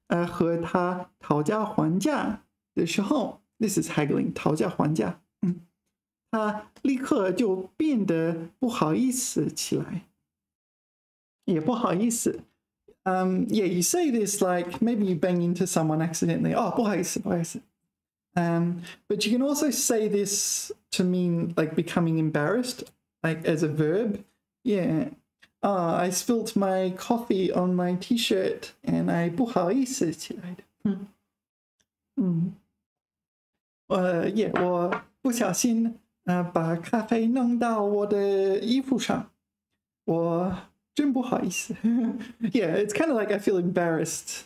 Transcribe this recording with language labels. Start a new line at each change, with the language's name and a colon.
Chinese: 当你和他讨价还价的时候,
English: this is haggling, 讨价还价,
Chinese: 他立刻就变得不好意思起来, 也不好意思,
English: yeah, you say this like maybe you bang into someone accidentally, oh, 不好意思, but you can also say this to mean like becoming embarrassed, like as a verb. Yeah, I spilt my coffee on my t-shirt and I
Chinese: 不好意思起来的.
English: Yeah,
Chinese: 我不小心 把咖啡弄到我的衣服上. 我真不好意思.
English: Yeah, it's kind of like I feel embarrassed.